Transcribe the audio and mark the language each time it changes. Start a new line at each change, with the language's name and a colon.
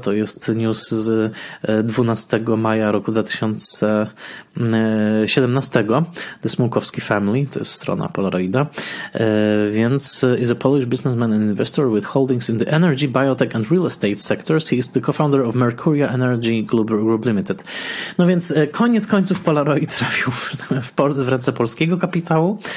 Polish: To jest news z 12 maja roku 2017. The Smołkowski Family, to jest strona Polaroida. Więc
English: is a Polish businessman an investor with holdings in the energy, biotech and real estate sectors. He is the co-founder of Mercuria Energy Group Limited.
Polish: No więc koniec końców Polaroid trafił w ręce polskiego kapitału.